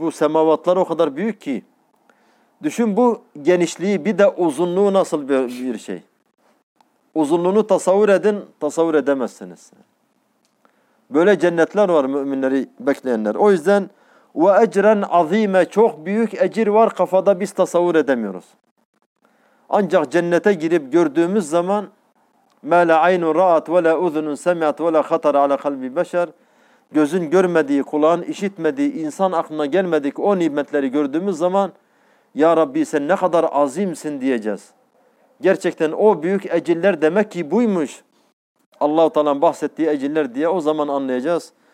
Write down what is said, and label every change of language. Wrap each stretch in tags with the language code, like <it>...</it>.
<tr>Bu semavatlar o kadar büyük ki. Düşün bu genişliği, bir de uzunluğu nasıl bir şey. Uzunluğunu tasavvur edin, tasavvur edemezsiniz. Böyle cennetler var müminleri bekleyenler. O yüzden</tr> <ar>وَاَجْرًا عَظ۪يمًا,</ar> <tr>çok büyük ecir var, kafada biz tasavvur edemiyoruz. Ancak cennete girip gördüğümüz zaman</tr> <ar>مَا لَا عَيْنٌ رَعَتْ وَلَا اُذُنٌ سَمِعَتْ وَلَا خَطَرَ عَلَى قَلْبِ بَشَرٍ.</ar> <tr>Gözün görmediği, kulağın işitmediği, insan aklına gelmedik o nimetleri gördüğümüz zaman ya Rabbi sen ne kadar azimsin diyeceğiz. Gerçekten o büyük eciller demek ki buymuş. Allah-u Teala'nın bahsettiği eciller diye o zaman anlayacağız.</tr>